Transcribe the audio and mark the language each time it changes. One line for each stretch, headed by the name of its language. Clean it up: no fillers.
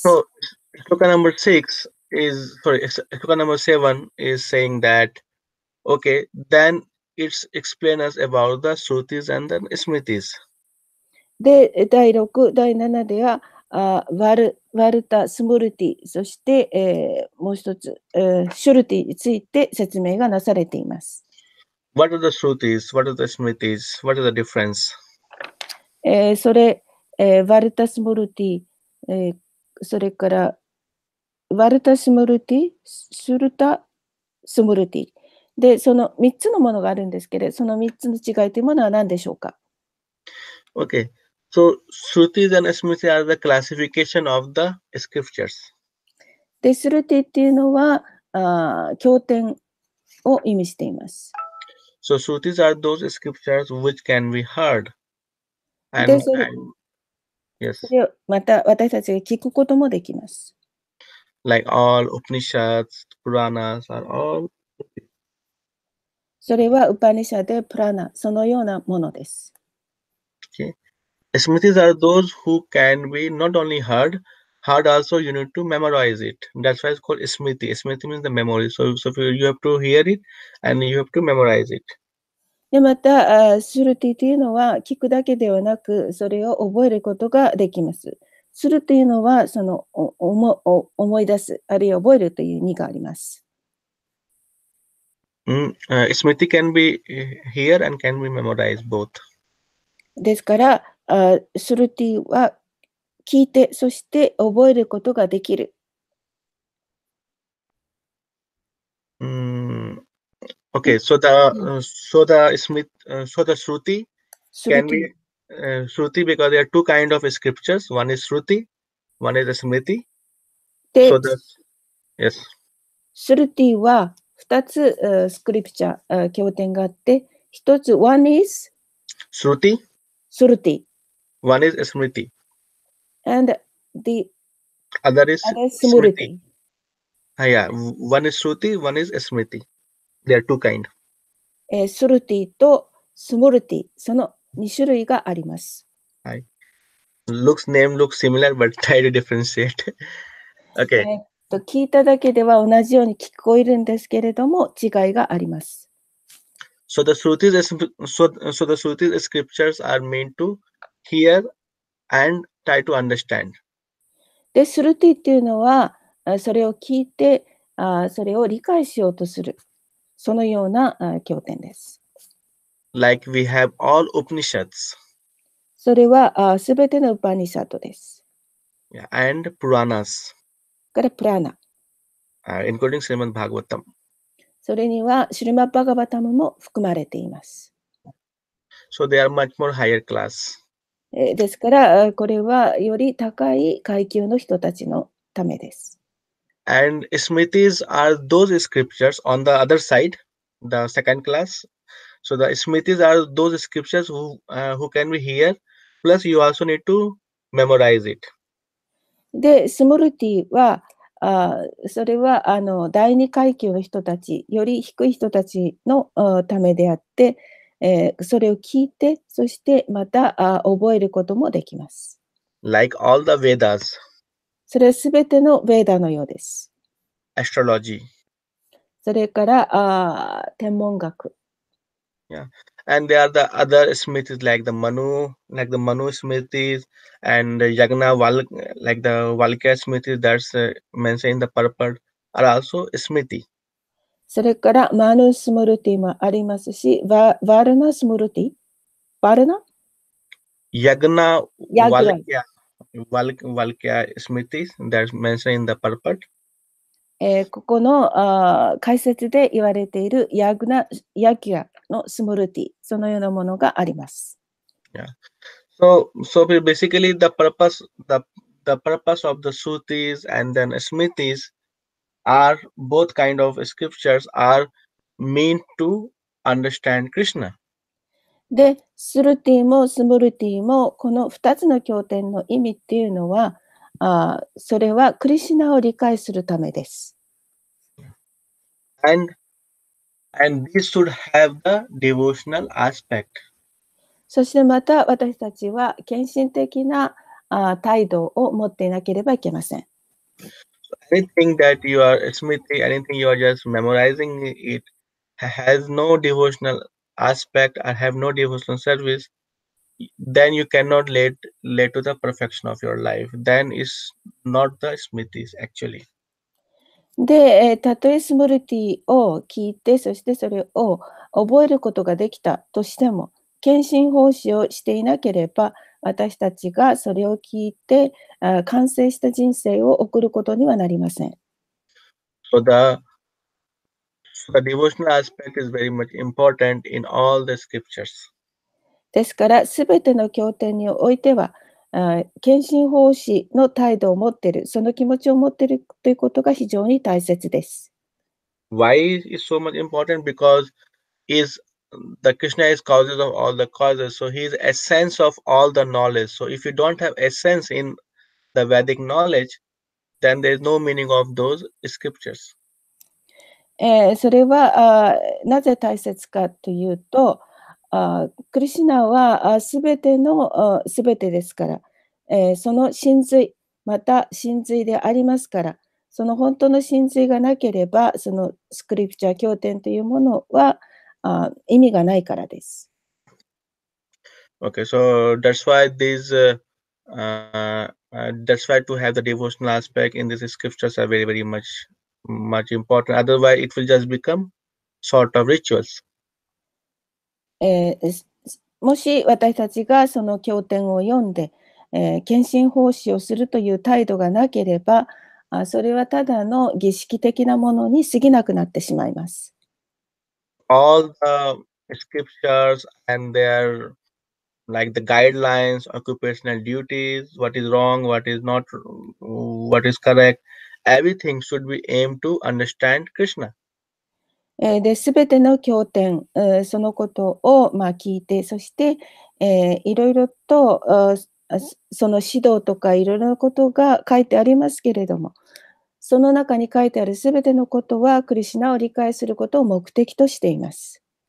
English: So, Shloka number 6 is, sorry, Shloka number 7 is saying that, okay, then,It's explain us about the Shrutis and the Smritis.
Japanese: で、第6、第7では、ワルタ、スムルティ、そして、もう一つ、シュルティについて説明がなされています。
English: What are the Shrutis? What are the Smritis? What are the difference?
Japanese: それ、ワルタ、スムルティ、それから、ワルタ、スムルティ、シュルタ、スムルティ。で、その3つのものがあるんですけれど、その3つの違いというものは何でしょうか
English: ?Okay. So, Shrutis and Smritis are the classification of the scriptures.
Japanese: で、Shruti っていうのは、経典を意味しています。
English: So, Shrutis are those scriptures which can be heard. And,
Japanese: で、それ、また私たちが聞くこともできます。
English: Like all Upanishads, Puranas are all...
Japanese: それはウパニシャでプラナ、そのようなものです。
English: Okay. Smritis are those who can be not only heard, heard also you need to memorize it. That's why it's called Smriti. Smriti means the memory. So you have to hear it and you have to memorize it.
Japanese: で、また、シュルティというのは聞くだけではなく、それを覚えることができます。するというのは、その思い出す、あるいは覚えるという意味があります。
English: Smriti can be hear and can be memorized both.
Japanese: ですから、スルティは聞いて、そして覚えることができる。
English: Okay, so the Shruti can be Shruti because there are two kind of scriptures. One is Shruti, one is Smriti. Yes.
Japanese: スルティは2つ、スクリプチャー、経典があって、一つ、
English: one is? Shruti. Shruti. One is Smriti. And the other is Smriti. Yeah, one is Shruti, one is Smriti. There are two kinds.
Japanese: Shruti と Smriti, その2種類があります。はい。
English: Looks, name looks similar, but try to differentiate. okay.
Japanese: 聞いただけでは同じように聞こえるんですけれども違いがあります。
English: So the Shrutis scriptures are meant to hear and try to understand.
Japanese: で、スルティっていうのは、それを聞いて、それを理解しようとする、そのような経典です。
English: Like we have all Upanishads.
Japanese: それは、すべてのウパニシャドです。
English: Yeah, and Puranas.
Japanese: からプラナ。
English: Including Srimad Bhagavatam.
Japanese: それには、シュリマッバガバタムも含まれています。
English: So they are much more higher class.
Japanese: ですから、これはより高い階級の人たちのためです。
English: And Smritis are those scriptures on the other side, the second class. So the Smritis are those scriptures who can be here, plus you also need to memorize it.
Japanese: で、スムルティは、それは第二階級の人たち、より低い人たちのためであって、それを聞いて、そしてまた覚えることもできます。
English: Like all the Vedas.
Japanese: それはすべてのヴェーダのようです。
English: Astrology.
Japanese: それから天文学。
English: Yeah. And there are the other Smritis like the Manu Smritis and Yagna like the Valkya Smritis that's mentioned in the purport are also Smriti.
Japanese: それからマヌスムルティもありますし、ワルナスムルティ、ワルナ？ヤグナ、ワルキア、ワルキアスミティ、
English: that's mentioned in the purport。
Japanese: ここの解説で言われているヤグナ、ヤキアのスムルティ、そのようなものがあります。
English: Yeah. So basically the purpose of the Sutis and then Smritis. Are both kind of scriptures are meant to understand Krishna.
Japanese: で、スルティもスムルティもこの二つの経典の意味っていうのは、それはクリシナを理解するためです。
English: And this should have the devotional aspect.
Japanese: そしてまた私たちは献身的な態度を持っていなければいけません。
English: Anything that you are smriti, anything you are just memorizing it has no devotional aspect or have no devotional service, then you cannot lead to the perfection of your life. Then it's not the smritis actually.
Japanese: で、たとえスムルティを聞いて、そしてそれを覚えることができたとしても、献身奉仕をしていなければ、私たちがそれを聞いて完成した人生を送ることにはなりません。
English: So the devotional aspect is very much important in all the scriptures.
Japanese: ですから、すべての経典においては、献身奉仕の態度を持っている、その気持ちを持っているということが非常に大切です。
English: Why is it so much important? Because isThe Krishna is causes of all the causes, so he is essence of all the knowledge. So if you don't have essence in the Vedic knowledge, then there is no meaning of those scriptures.
Japanese: それは、なぜ大切かというと、クリシナはすべてのすべてですから、その真髄、また真髄でありますから、その本当の真髄がなければ、そのスクリプチャー経典というものは、意味がないからです。
English: Okay, so that's why these, that's why to have the devotional aspect in these scriptures are very, very much, much important. Otherwise, it will just become sort of rituals.
Japanese: もし私たちがその経典を読んで、献身奉仕をするという態度がなければ、それはただの儀式的なものに過ぎなくなってしまいます。
English: All the scriptures and their like the guidelines, occupational duties, what is wrong, what is not, what is correct, everything should be aimed to understand Krishna.
Japanese: で、すべての経典、そのことを、聞いて、そして、いろいろと、その指導とかいろいろなことが書いてありますけれども、その中に書いてあるすべてのことは、クリシナを理解することを目的としています。